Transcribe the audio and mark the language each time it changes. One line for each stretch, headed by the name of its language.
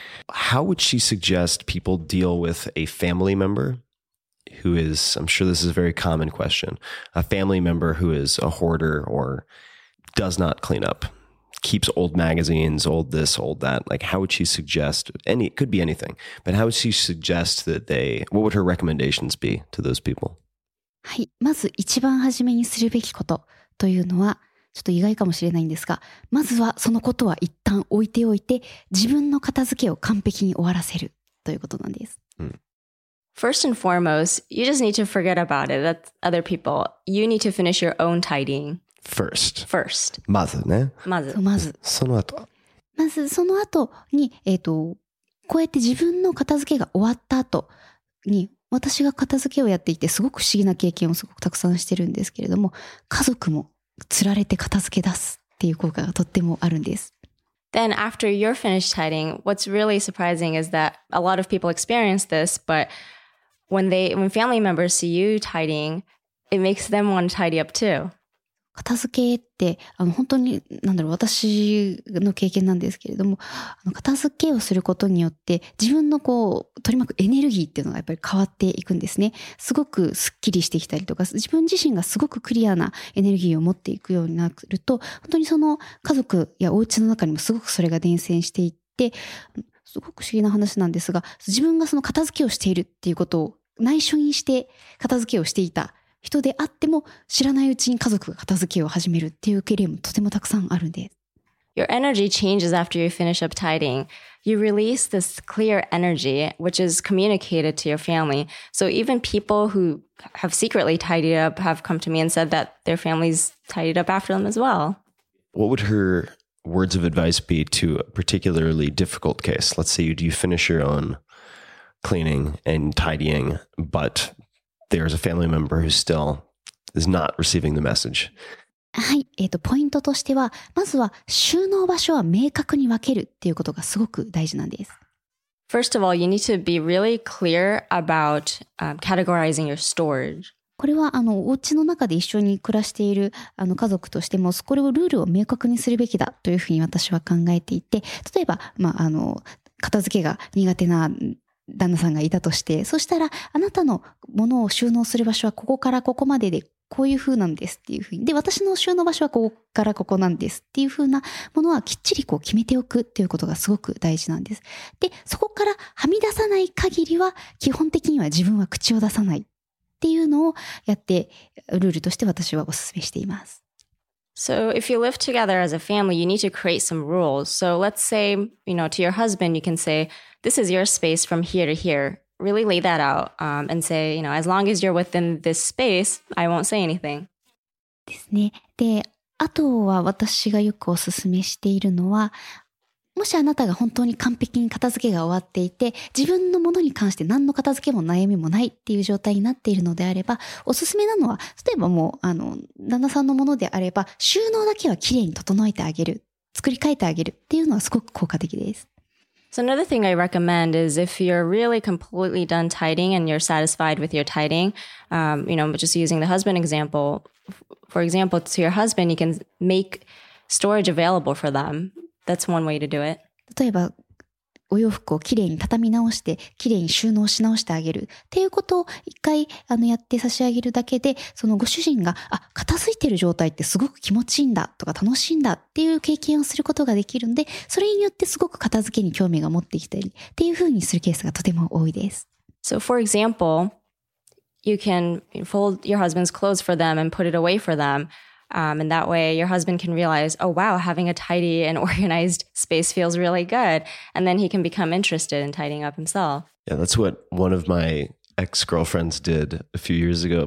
English: How would she suggest people deal with a family member who is, I'm sure this is a very common question, a family member who is a hoarder or does not clean up, keeps old magazines, old this, old that? Like, how would she suggest any, it could be anything, but how would she suggest that they, what would her recommendations be to those people?
Japanese: はい、まず一番初めにするべきことというのは、ちょっと意外かもしれないんですが、まずはそのことは一旦置いておいて、自分の片付けを完璧に終わらせるということなんです。
English: First and foremost, you just need to forget about it. That's other people. You need to finish your own tidying. First. First.
Japanese: まずね。まず。まず。その後。まずその後に、こうやって自分の片付けが終わった後に、私が片付けをやっていてすごく不思議な経験をすごくたくさんしてるんですけれども、家族もつられて片付け出すっていう効果がとってもあるんです。
English: Then after you're finished tidying, what's really surprising is that a lot of people experience this, but when family members see you tidying, it makes them want to tidy up too.
Japanese: 片付けって本当に何だろう私の経験なんですけれども片付けをすることによって自分のこう取り巻くエネルギーっていうのがやっぱり変わっていくんですねすごくすっきりしてきたりとか自分自身がすごくクリアなエネルギーを持っていくようになると本当にその家族やお家の中にもすごくそれが伝染していってすごく不思議な話なんですが自分がその片付けをしているっていうことを内緒にして片付けをしていた人であっても知らないうちに家族が片付けを始めるっていう経験もとてもたくさんあるんです。
English: Your energy changes after you finish up tidying. You release this clear energy, which is communicated to your family. So even people who have secretly tidied up have come to me and said that their families tidied up after them as well. What would her words of advice be to a particularly difficult case? Let's say you finish your own cleaning and tidying, but there's a family member who still is not receiving the message.
Japanese: はい、ポイントとしては、まずは収納場所は明確に分けるっていうことがすごく大事なんです。
English: First of all, you need to be really clear about categorizing your storage.
Japanese: これはお家の中で一緒に暮らしている家族としても、これをルールを明確にするべきだというふうに私は考えていて、例えば、片付けが苦手な旦那さんがいたとして、そしたらあなたのものを収納する場所はここからここまででこういう風なんですっていう風に、で私の収納場所はここからここなんですっていう風なものはきっちりこう決めておくっていうことがすごく大事なんです。でそこからはみ出さない限りは基本的には自分は口を出さないっていうのをやってルールとして私はお勧めしています。
English: So if you live together as a family, you need to create some rules. So let's say, you know, to your husband, you can say, this is your space from here to here. Really lay that out and say, you know, as long as you're within this space, I won't say anything.
Japanese: ですね。で、あとは私がよくお勧めしているのは、もしあなたが本当に完璧に片付けが終わっていて、自分のものに関して何の片付けも悩みもないっていう状態になっているのであれば、おすすめなのは、例えばもう、旦那さんのものであれば、収納だけはきれいに整えてあげる、作り変えてあげるっていうのはすごく効果的です。
English: So another thing I recommend is if you're really completely done tidying and you're satisfied with your tidying, you know, just using the husband example, for example, to your husband, you can make storage available for them. That's one way to do it.
Japanese: 例えば、お洋服をきれいに畳み直して、きれいに収納し直してあげるっていうことを一回やって差し上げるだけで、そのご主人が、あ、片付いてる状態ってすごく気持ちいいんだとか楽しいんだっていう経験をすることができるんで、それによってすごく片付けに興味が持ってきたりっていうふうにするケースがとても多いです。
English: So for example, you can fold your husband's clothes for them and put it away for them. And that way your husband can realize, oh wow, having a tidy and organized space feels really good. And then he can become interested in tidying up himself. Yeah, that's what one of my ex-girlfriends did a few years ago.